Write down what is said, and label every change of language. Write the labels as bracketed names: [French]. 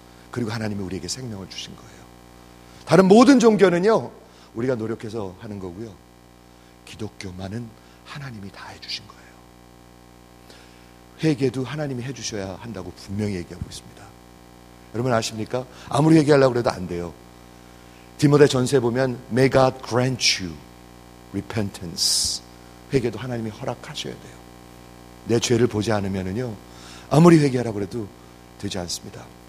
[Korean] 그리고 하나님이 우리에게 생명을 주신 거예요. 다른 모든 종교는요, 우리가 노력해서 하는 거고요. 기독교만은 하나님이 다 해주신 거예요. 회개도 하나님이 해주셔야 한다고 분명히 얘기하고 있습니다. 여러분 아십니까? 아무리 얘기하려고 해도 안 돼요. 디모데 전서에 보면 [English] May God grant you repentance. [Korean] 회개도 하나님이 허락하셔야 돼요. 내 죄를 보지 않으면은요, 아무리 회개하라고 해도 되지 않습니다.